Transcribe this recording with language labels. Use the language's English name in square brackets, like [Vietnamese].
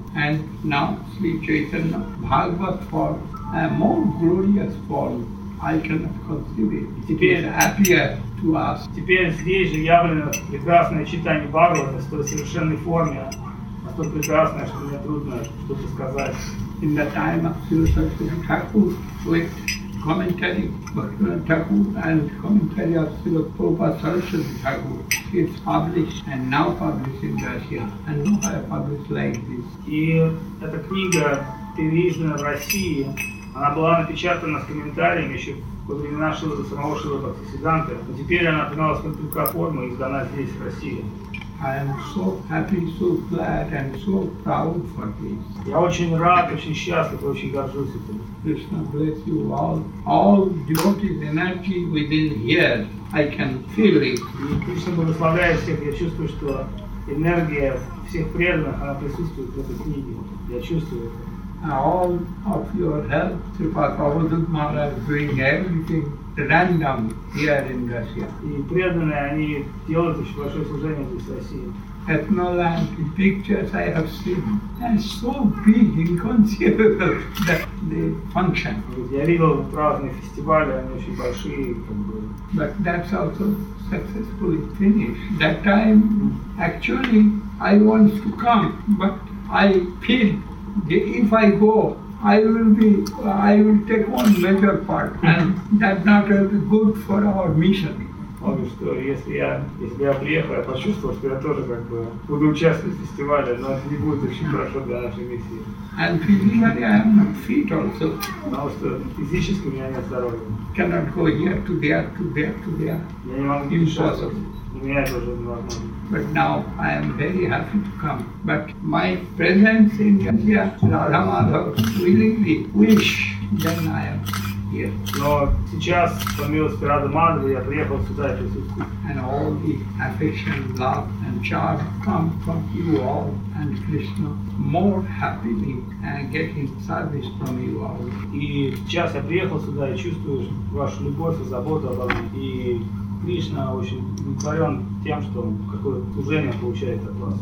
[English] And now Sri Chaitanya Bhagavat for a more glorious form I cannot conceive it. [Russian] Теперь [English] appear to us. [Russian] Теперь здесь же явлено прекрасное читание Бхагавата в той совершенной форме, настолько прекрасное, что мне трудно что-то сказать. [English] In the time of Sri Thakur, with commentary Bhaktivinoda Thakur and commentary of Sri Prabhupada Saraswati Thakur, it's published and now published in Russia, and nobody published like this. [Russian] И эта книга переиздана в России. Она была напечатана с комментариями еще во времена самого Шрила Бхактисиддханты, но теперь она приняла несколько форм и издана здесь, в России. [English] I am so happy, so glad, and so proud for this. [Russian] Я очень рад, очень счастлив, очень горжусь этим. [English] Krishna bless you all. All devotees energy within here, I can feel it. [Russian] И Кришна благословляет всех. Я чувствую, что энергия всех преданных, она присутствует в этой книге. Я чувствую это. [English] All of your help, Srila Prabhupada Maharaj, bring everything. Random here in Russia. [Russian] И преданные, они делают очень большое служение здесь, в России. [English] Ethnoland, the pictures I have seen, they're so big, inconceivable, that they function. [Russian] Я видел разные фестивали, они очень большие, как бы. [English] But that's also successfully finished. That time, actually, I want to come, but I feel that if I go, I will take one major part, and that's not good for our mission. [Russian] Что если я приехал, я почувствовал, что я тоже как бы буду участвовать в фестивале, но это не будет очень хорошо для нашей миссии. [English] And physically I am not fit also. [Russian] Потому что физически у меня нет здоровья. [English] Cannot go here to there to there to there. [Russian] Я не могу участвовать. У меня это уже невозможно. [English] But now I am very happy to come. But my presence in India, Radha Madhav, willingly wish that I am here. [Russian] Но сейчас, по милости Радха Мадхава, я приехал сюда и присутствую. [English] And all the affection, love and charge come from you all and Krishna more happily and getting service from you all. [Russian] И сейчас я приехал сюда и чувствую вашу любовь и заботу обо мне. И Кришна очень удовлетворен тем, что он какое служение получает от вас.